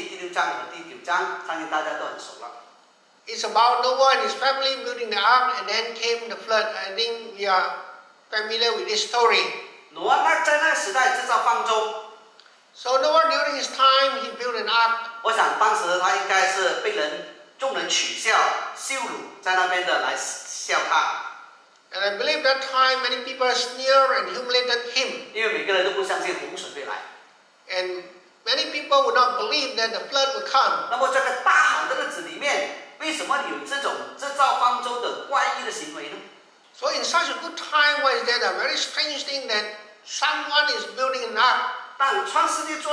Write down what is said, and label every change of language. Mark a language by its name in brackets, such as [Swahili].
[Chinese] 就是有关于挪亚制造方舟和洪水的故事。我相信现在记载在这个创世纪第6章和第9章，相信大家都很熟了。 [English] It's about Noah and his family building the ark, and then came the flood. I think we are familiar with this story. [Chinese] Noah 在那个时代制造方舟。 [English] So Noah during his time he built an ark. [Chinese] 我想当时他应该是被人众人取笑、羞辱，在那边的来笑他。 [English] And I believe that time many people sneered and humiliated him. [Chinese] 因为每个人都不相信洪水会来。 [English] And many people would not believe that the flood would come. [Chinese] 那么这个大好的日子里面。为什么有这种制造方舟的怪异的行为呢？ [English] So in such a good time, why is there a very strange thing that someone is building an ark?